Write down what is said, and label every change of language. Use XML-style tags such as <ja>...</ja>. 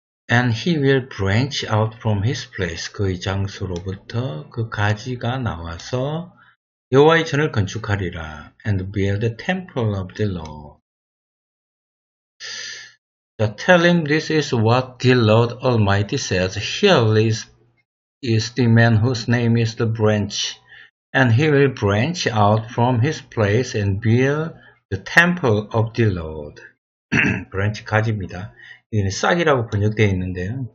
<en>And he will branch out from his place.</en> <ko>그의 장소로부터 그 가지가 나와서 여호와의 전을 건축하리라.</ko> <en>And build the temple of the Lord. So tell him this is what the Lord Almighty says. Here is the man whose name is the branch. And he will branch out from his place and build the temple of the Lord.</en> <ko>branch 가지입니다. 이건 싹이라고 번역되어 있는데요.</ko>